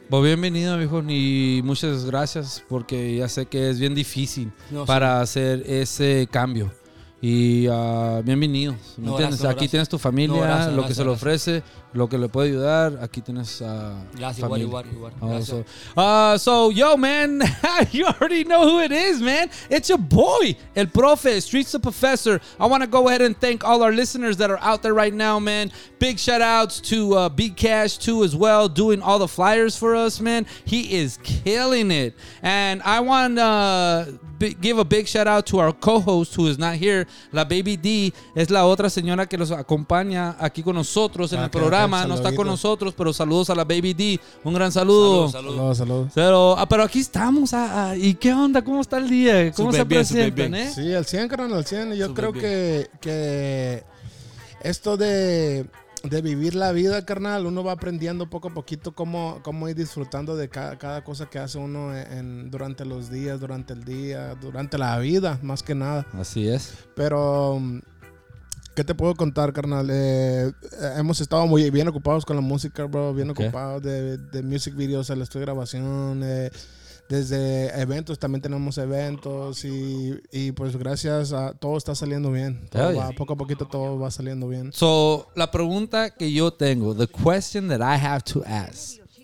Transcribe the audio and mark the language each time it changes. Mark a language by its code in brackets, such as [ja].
[es] Pues bienvenido, viejo, y muchas gracias porque ya sé que es bien difícil no, para sí. Hacer ese cambio. Y bienvenido, ¿me no, entiendes? Gracias, aquí gracias. Tienes tu familia, no, gracias, lo que gracias, se le ofrece, gracias. Lo que le puede ayudar, aquí tienes a gracias, familia. Igual. Gracias. [en] So, yo, man, you already know who it is, man. It's your boy, el profe, Streetz the Professor. I want to go ahead and thank all our listeners that are out there right now, man. Big shout outs to Big Cash, too, as well, doing all the flyers for us, man. He is killing it. And I want to give a big shout out to our co-host who is not here. [es] La Baby D es la otra señora que los acompaña aquí con nosotros en el programa. No está con nosotros, pero saludos a la Baby D. Un gran saludo. Saludos. Pero aquí estamos. ¿Y qué onda? ¿Cómo está el día? ¿Cómo se presentan? Sí, al 100, carnal, al 100. Yo creo que esto de vivir la vida, carnal, uno va aprendiendo poco a poquito cómo ir disfrutando de cada cosa que hace uno durante los días, durante el día, durante la vida, más que nada. Así es. Pero, ¿qué te puedo contar, carnal? Hemos estado muy bien ocupados con la música, bro, bien okay. Ocupados de music videos, el estudio de grabación, desde eventos, también tenemos eventos y pues gracias a todo está saliendo bien. Todo va, poco a poquito todo va saliendo bien. [en] So, [es] la pregunta que yo tengo, [en] the question that I have to ask.